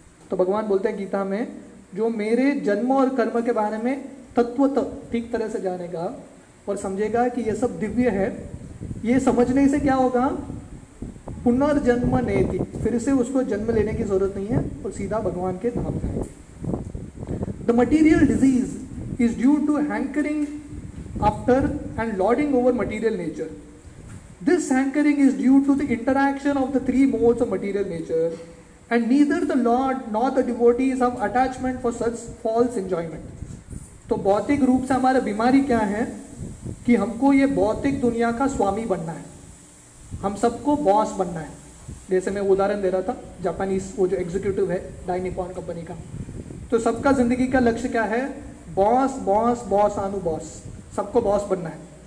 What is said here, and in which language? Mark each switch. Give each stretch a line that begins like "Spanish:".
Hindi: तो भगवान बोलते हैं गीता में जो मेरे जन्म और कर्म के बारे में तत्वत ठीक तरह से जानेगा और समझेगा कि ये सब दिव्य है, ये समझने से क्या होगा? पुनर्जन्म नेति, फिर से उसको जन्म लेने की जरूरत नहीं है और सीधा भगवान के धाम जाएंगे.
English: The material disease is due to hankering after and lording over material nature. This hankering is due to the interaction of the three modes of material nature, and neither the Lord nor the devotees have attachment for such false enjoyment.
Hindi: तो भौतिक रूप से हमारा बीमारी क्या है? कि हमको ये भौतिक दुनिया का स्वामी बनना है, हम सबको बॉस बनना है. जैसे मैं उदाहरण दे रहा था जापानीज वो जो एग्जीक्यूटिव है डाई निपॉन कंपनी का, तो सबका जिंदगी का लक्ष्य क्या है? बॉस बॉस बॉस आनु बॉस, सबको बॉस बनना है.